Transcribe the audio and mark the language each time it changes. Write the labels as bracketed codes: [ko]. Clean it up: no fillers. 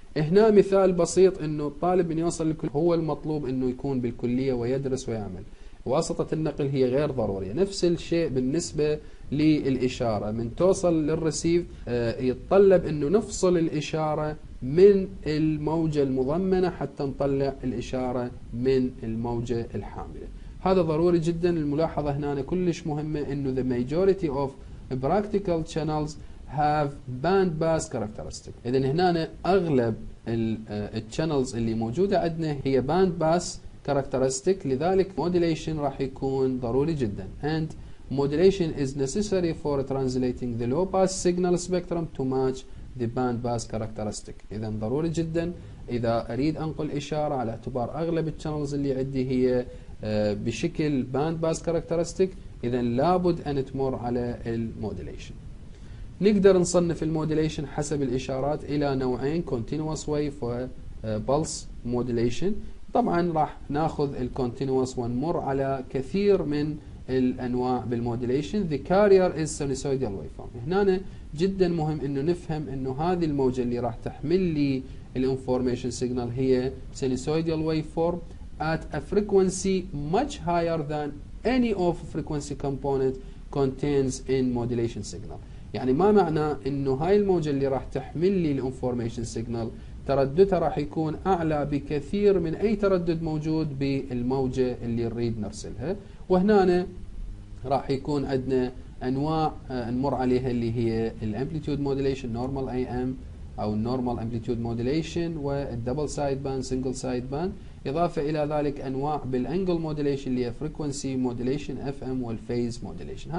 [ar] هنا مثال بسيط انه الطالب من يوصل للكلية هو المطلوب انه يكون بالكلية ويدرس ويعمل، واسطة النقل هي غير ضرورية. نفس الشيء بالنسبة للإشارة، من توصل للرسيف يتطلب انه نفصل الإشارة من الموجة المضمنة حتى نطلع الإشارة من الموجة الحاملة، هذا ضروري جدا. الملاحظة هنا كلش مهمة انه [en] the majority of practical channels have band pass characteristic. [ar] إذن هنا أغلب الشانلز اللي موجودة عندنا هي band pass characteristic، لذلك modulation راح يكون ضروري جدا. And [en] Modulation is necessary for translating the low pass signal spectrum to match the band pass characteristic. [ar] إذا ضروري جدا إذا أريد أنقل إشارة على اعتبار أغلب channels اللي عندي هي بشكل band pass characteristic, إذا لابد أن تمر على المودوليشن. نقدر نصنف المودوليشن حسب الإشارات إلى نوعين, continuous wave وpulse modulation. طبعا راح ناخذ الcontinuous ونمر على كثير من الأنواع بالmodulation. [en] The carrier is sinusoidal waveform. [ar] هنا جدا مهم أنه نفهم أنه هذه الموجة اللي راح تحمل لي [en] الinformation signal هي sinusoidal waveform at a frequency much higher than any of frequency component contains in modulation signal. [ar] يعني ما معنى أنه هاي الموجة اللي راح تحمل لي الinformation signal ترددها راح يكون أعلى بكثير من أي تردد موجود بالموجة اللي نريد نرسلها. وهنا راح يكون عندنا أنواع نمر عليها اللي هي الامبليتود مودوليشن نورمال اي ام او النورمال امبليتود مودوليشن والدبل سايد باند سنجل سايد باند, إضافة إلى ذلك أنواع بالانجل مودوليشن اللي هي فريكوانسي مودوليشن اف ام والفيز مودوليشن.